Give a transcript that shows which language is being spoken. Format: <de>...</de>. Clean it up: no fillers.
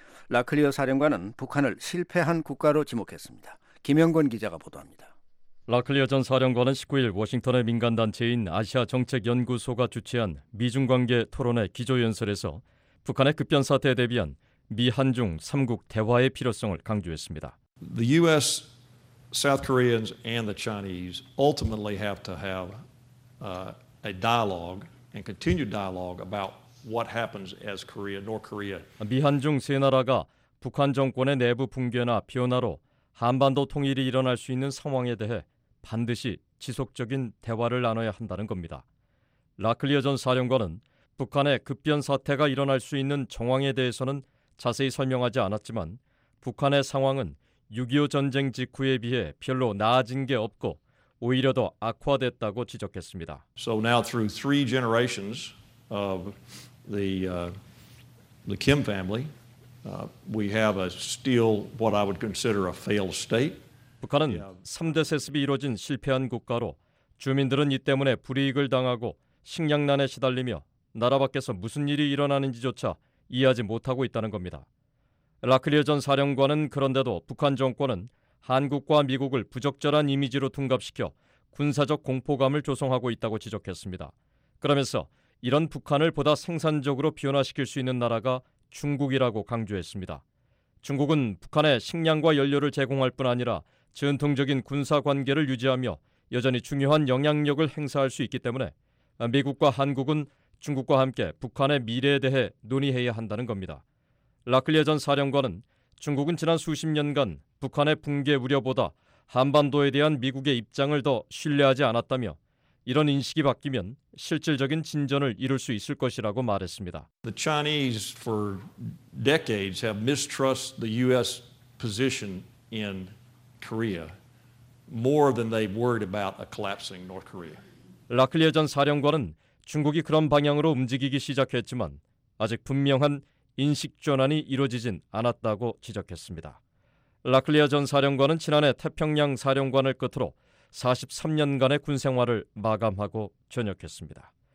<ko>라클리어 사령관은 북한을 실패한 국가로 지목했습니다. 김영권 기자가 보도합니다. 라클리어 전 사령관은 19일 워싱턴의 민간단체인 아시아정책연구소가 주최한 미중관계 토론회 기조연설에서 북한의 급변 사태에 대비한 미 한중 3국 대화의 필요성을 강조했습니다.</ko> <en>The US, South Koreans and the Chinese ultimately have to have a dialogue and continued dialogue about what happens as Korea, North Korea.</en> <ko>미 한중 세 나라가 북한 정권의 내부 붕괴나 변화로 한반도 통일이 일어날 수 있는 상황에 대해 반드시 지속적인 대화를 나눠야 한다는 겁니다. 라클리어 전 사령관은 북한의 급변 사태가 일어날 수 있는 정황에 대해서는 자세히 설명하지 않았지만 북한의 상황은 6.25 전쟁 직후에 비해 별로 나아진 게 없고 오히려 더 악화됐다고 지적했습니다.</ko> <en>So now through three generations of the Kim family, we have a still what I would consider a failed state.</en> <ko>북한은 3대 세습이 이루어진 실패한 국가로 주민들은 이 때문에 불이익을 당하고 식량난에 시달리며 나라 밖에서 무슨 일이 일어나는지조차 이해하지 못하고 있다는 겁니다. 라클리어 전 사령관은 그런데도 북한 정권은 한국과 미국을 부적절한 이미지로 둔갑시켜 군사적 공포감을 조성하고 있다고 지적했습니다. 그러면서 이런 북한을 보다 생산적으로 변화시킬 수 있는 나라가 중국이라고 강조했습니다. 중국은 북한에 식량과 연료를 제공할 뿐 아니라 전통적인 군사 관계를 유지하며 여전히 중요한 영향력을 행사할 수 있기 때문에 미국과 한국은 중국과 함께 북한의 미래에 대해 논의해야 한다는 겁니다. 라클리어 전 사령관은 중국은 지난 수십 년간 북한의 붕괴 우려보다 한반도에 대한 미국의 입장을 더 신뢰하지 않았다며 이런 인식이 바뀌면 실질적인 진전을 이룰 수 있을 것이라고 말했습니다.</ko> <en>The Chinese for decades have mistrusted the U.S. position in Korea more than they worried about a collapsing North Korea.</en> <ko>라클리어 전 사령관은 중국이 그런 방향으로 움직이기 시작했지만 아직 분명한 인식 전환이 이루어지진 않았다고 지적했습니다. 라클리어 전 사령관은 지난해 태평양 사령관을 끝으로 43년간의 군 생활을 마감하고 전역했습니다.</ko>